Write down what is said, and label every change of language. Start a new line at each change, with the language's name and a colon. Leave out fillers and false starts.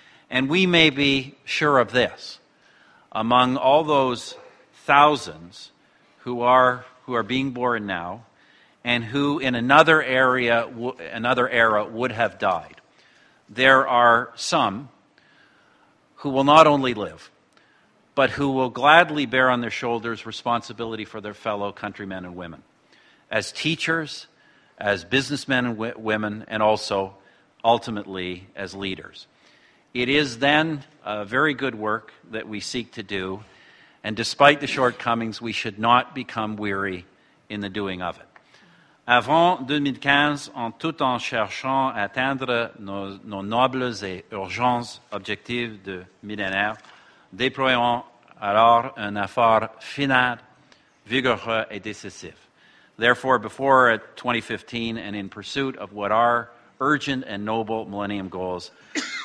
English: And we may be sure of this. Among all those thousands who are being born now and who in another era would have died, there are some who will not only live, but who will gladly bear on their shoulders responsibility for their fellow countrymen and women, as teachers, as businessmen and women, and also, ultimately, as leaders. It is then a very good work that we seek to do, and despite the shortcomings, we should not become weary in the doing of it.
French: Avant 2015, en tout en cherchant à atteindre nos nobles et urgents objectifs de millénaire, déployons alors un effort final, vigoureux et décisif.
English: Therefore, before 2015 and in pursuit of what are urgent and noble millennium goals, therefore, let us give one final vigorous